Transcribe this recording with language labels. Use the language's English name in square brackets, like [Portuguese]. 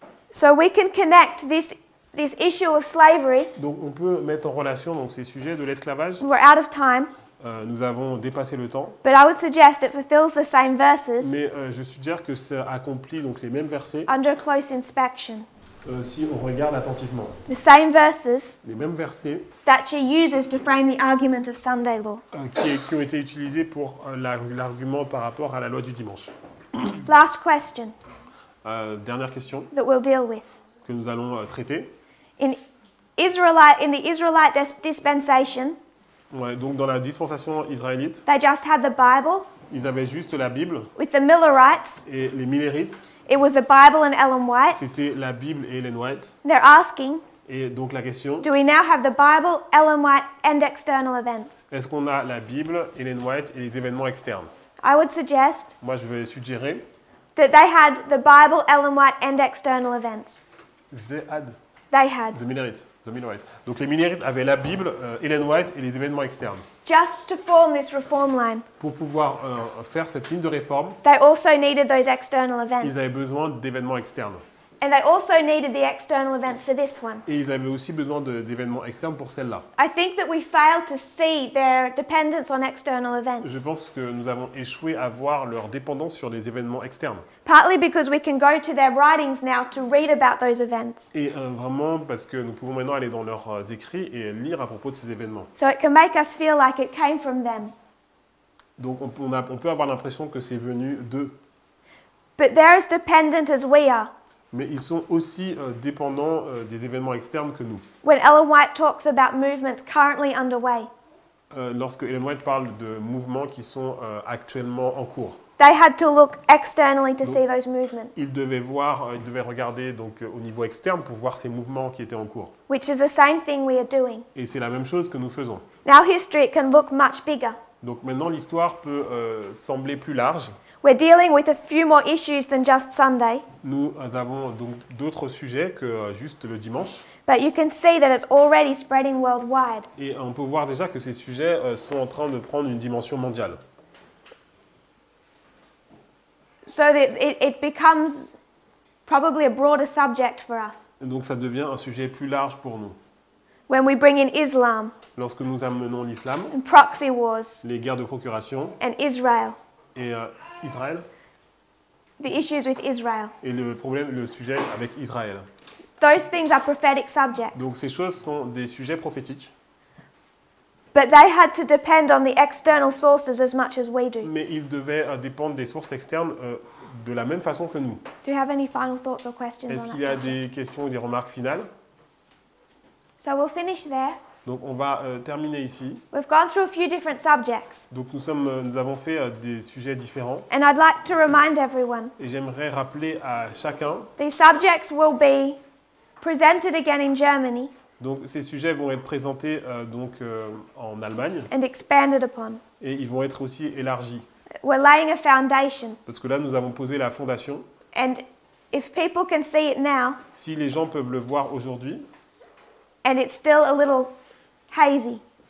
[English] So we can connect this issue of slavery. [French] Donc on peut mettre en relation donc ces sujets de l'esclavage. [English] We're out of time. [French] Nous avons dépassé le temps. [English] But I would suggest it fulfills the same verses. [French] Mais je suggère que ça accomplit donc les mêmes versets. [English] Under close inspection. [French] Si on regarde attentivement. [English] The same verses. [French] Les mêmes versets. [English] That she uses to frame the argument of Sunday law. [French] Qui ont été utilisés pour l'argument par rapport à la loi du dimanche. [English] Last question. [French] Dernière question. [English] That we'll deal with. [French] Que nous allons traiter. [English] In the Israelite dispensation. [French] Ouais, donc dans la dispensation israélite. [English] They just had the Bible. [French] Ils avaient juste la Bible. [English] With the Millerites. [French] Et les Millerites. [English] It was the Bible and Ellen White. [French] C'était la Bible et Ellen White. [English] They're asking. [French] Et donc la question. [English] Do we now have the Bible, Ellen White, and external events? [French] Est-ce qu'on a la Bible, Ellen White, et les événements externes? [English] I would suggest. [French] Moi, je vais suggérer. [English] That they had the Bible, Ellen White, and external events. They had. The Millerites. [French] Donc les Millerites avaient la Bible, Ellen White, et les événements externes. [English] Just to form this reform line. [French] Pour pouvoir faire cette ligne de réforme. [English] They also needed those external events. [French] Ils avaient besoin d'événements externes. [English] And they also needed the external events for this one. [French] Et ils avaient aussi besoin d'événements externes pour celle-là. [English] I think that we failed to see their dependence on external events. [French] Je pense que nous avons échoué à voir leur dépendance sur les événements externes. [English] Partly because we can go to their writings now to read about those events. [French] Et vraiment parce que nous pouvons maintenant aller dans leurs écrits et lire à propos de ces événements. [English] So it can make us feel like it came from them. [French] Donc on peut avoir l'impression que c'est venu d'eux. [English] But they're as dependent as we are. [French] Mais ils sont aussi dépendants des événements externes que nous. [English] When Ellen White talks about movements currently underway. [French] Lorsque Ellen White parle de mouvements qui sont actuellement en cours. [English] They had to look externally to see those movements. [French] Ils devaient regarder au niveau externe pour voir ces mouvements qui étaient en cours. [English] Which is the same thing we are doing. [French] Et c'est la même chose que nous faisons. [English] Now history can look much bigger. [French] Donc maintenant l'histoire peut sembler plus large. [English] We're dealing with a few more issues than just Sunday. [French] Nous avons donc d'autres sujets que juste le dimanche. [English] But you can see that it's already spreading worldwide. [French] Et on peut voir déjà que ces sujets sont en train de prendre une dimension mondiale. [English] So it becomes probably a broader subject for us. [French] Donc ça devient un sujet plus large pour nous. [English] When we bring in Islam. [French] Lorsque nous amenons l'islam. [English] And proxy wars. [French] Les guerres de procuration. [English] And Israel. [French] Et Israël. [English] The issues with Israel. [French] Et le sujet avec Israël. [English] Those things are prophetic subjects. [French] Donc ces choses sont des sujets prophétiques. [English] But they had to depend on the external sources as much as we do. [French] Mais ils devaient dépendre des sources externes de la même façon que nous. [English] Do you have any final thoughts or questions? [French] Est-ce qu'il y a des questions ou des remarques finales? [English] So we'll finish there. [French] Donc on va terminer ici. [English] We've gone through a few different subjects. [French] Donc nous avons fait des sujets différents. [English] And I'd like to remind everyone. [French] Et j'aimerais rappeler à chacun. [English] These subjects will be presented again in Germany. [French] Donc ces sujets vont être présentés donc en Allemagne. [English] And expanded upon. [French] Et ils vont être aussi élargis. [English] We're laying a foundation. [French] Parce que là nous avons posé la fondation. [English] And if people can see it now. [French] Si les gens peuvent le voir aujourd'hui. [English] And it's still a little hazy.